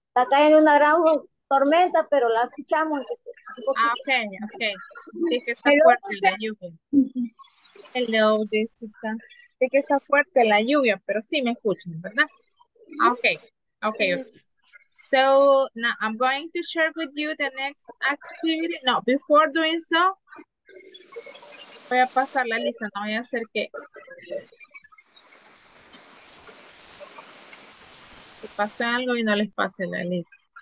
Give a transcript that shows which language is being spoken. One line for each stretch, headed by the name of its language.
Spanish: Está cayendo una gran tormenta, pero la escuchamos. Okay. Sí que está fuerte la lluvia.
English: Hello, Jessica.
Spanish: Sí que está fuerte la lluvia, pero sí me escuchan, ¿verdad? Okay.
English: So now I'm going to share with you the next activity.
Spanish: No,
English: before doing so,
Spanish: voy a pasar la lista, no voy a hacer que pase algo y no les pase la lista.